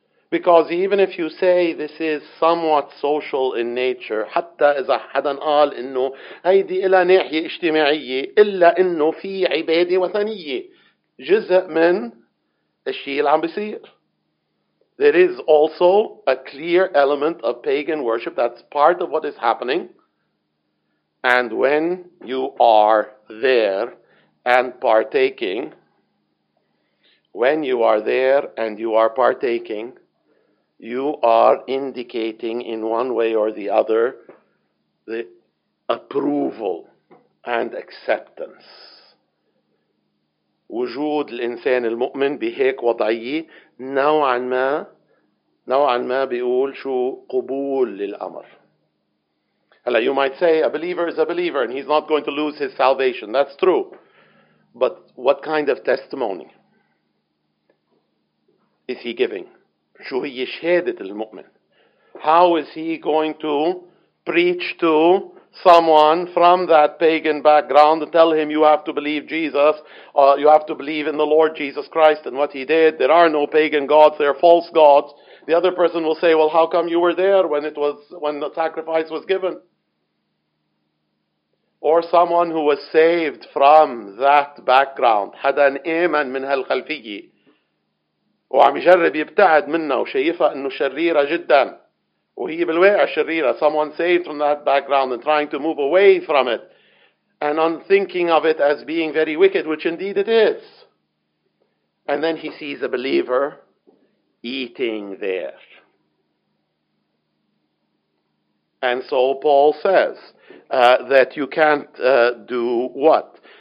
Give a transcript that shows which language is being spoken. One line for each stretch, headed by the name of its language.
English: Because even if you say this is somewhat social in nature,
Arabic: حتى إذا حدا قال إنه هيدي إلى ناحية اجتماعية إلا إنه في عبادة وثنية جزء من الشيء اللي عم بيصير.
English: There is also a clear element of pagan worship that's part of what is happening. And when you are there and partaking, when you are there and you are partaking, you are indicating in one way or the other the approval and acceptance.
Arabic: وجود الإنسان المؤمن بهيك وضعية نوعا ما بيقول شو قبول للأمر.
English: Hello, you might say a believer is a believer and he's not going to lose his salvation. That's true. But what kind of testimony is he giving?
Arabic: شو هي شهادة المؤمن?
English: How is he going to preach to someone from that pagan background and tell him you have to believe Jesus, you have to believe in the Lord Jesus Christ and what he did? There are no pagan gods, they're false gods. The other person will say, well, how come you were there when the sacrifice was given? Or someone who was saved from that background,
Arabic: حدا آمن من هالخلفية وعم يجرب يبتعد منها وشايفها انه شريرة جدا وهي بالواقع شريرة.
English: Someone saved from that background and trying to move away from it and on thinking of it as being very wicked, which indeed it is. And then he sees a believer eating there. And so Paul says that you can't do what?